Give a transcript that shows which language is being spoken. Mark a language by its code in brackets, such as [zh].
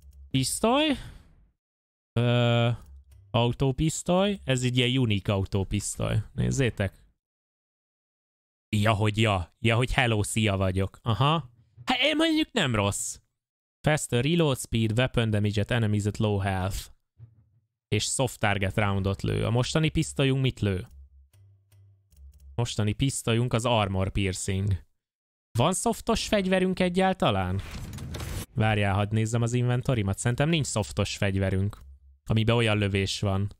[hu] Pisztoly. Autópisztoly. Ez egy ilyen unique autópisztoly. Nézzétek. Ja, hogy hello, szia vagyok. Aha. Hát én mondjuk nem rossz. [en] Faster reload speed, weapon damage at enemies at low health. [hu] És soft target roundot lő. A mostani pisztolyunk mit lő? Mostani pisztolyunk az armor piercing. Van softos fegyverünk egyáltalán? Várjál, hadd nézzem az inventorimat. Szerintem nincs softos fegyverünk, amiben olyan lövés van.